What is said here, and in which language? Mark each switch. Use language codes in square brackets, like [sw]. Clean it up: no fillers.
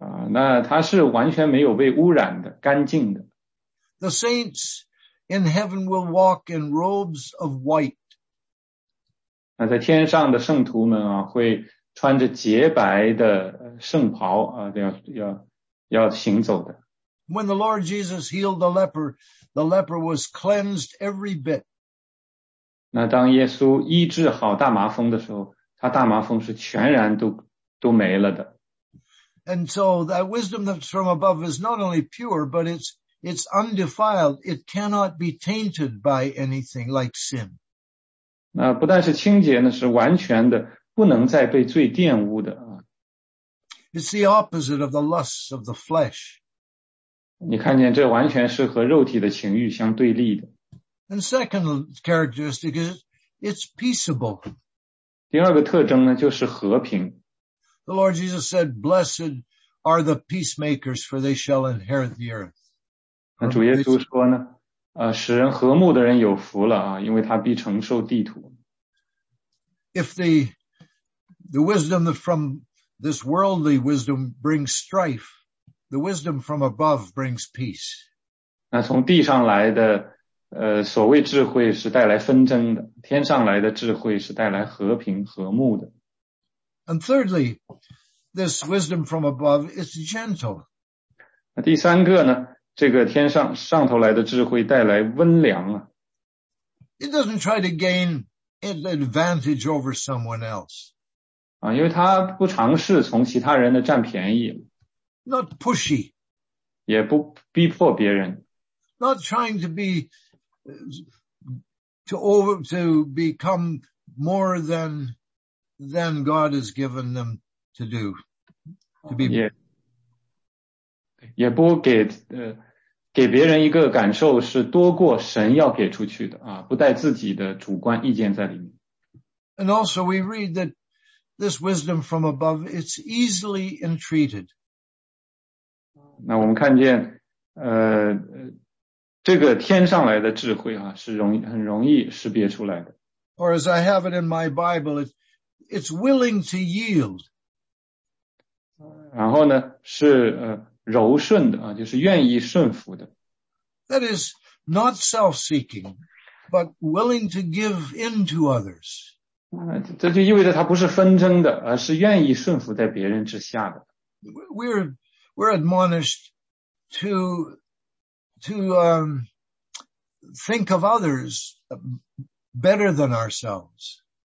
[zh] 那它是完全没有被污染的干净的。 [en] The saints in heaven will walk in robes of white. [zh] 那在天上的圣徒们啊会穿着洁白的圣袍啊，要行走的。 [en] When the Lord Jesus healed the leper was cleansed every bit. [zh] 那当耶稣医治好大麻风的时候，他大麻风是全然都没了的。 [en] And so that wisdom that's from above is not only pure, but it's undefiled. It cannot be tainted by anything like sin. [zh] 那不但是清洁呢，是完全的。不能再被罪玷污的。 [en] It's the opposite of the lusts of the flesh. [zh] 你看见这完全是和肉体的情欲相对立的。 [en] And second characteristic is it's peaceable. [zh] 第二个特征呢就是和平。 [en] The Lord Jesus said, blessed are the peacemakers, for they shall inherit the earth. [zh] 那主耶稣说呢？使人和睦的人有福了啊，因为他必承受地土。 [en] If the wisdom from this worldly wisdom brings strife, the wisdom from above brings peace. [zh] 那从地上来的所谓智慧是带来纷争的，天上来的智慧是带来和平和睦的。 [en] And thirdly, this wisdom from above is gentle. [zh] 那第三个呢，这个天上上头来的智慧带来温良啊。 [en] It doesn't try to gain an advantage over someone else. [zh] 啊，因为他不尝试从其他人的占便宜。 [en] Not pushy. [zh] 也不逼迫别人。 [en] Not trying to become more than God has given them to do, to be. [zh] 也不给别人一个感受是多过神要给出去的啊，不带自己的主观意见在里面。 [en] And also we read that this wisdom from above, it's easily entreated. [zh] 那我们看见这个天上来的智慧啊，是很容易识别出来的。 [en] Or as I have it in my Bible, it's willing to yield. [zh] 然后呢，是柔顺的啊，就是愿意顺服的。 [en] That is not self-seeking, but willing to give in to others. [zh] 这就意味着他不是纷争的，而是愿意顺服在别人之下的。 [en] We're admonished to think of others better than ourselves.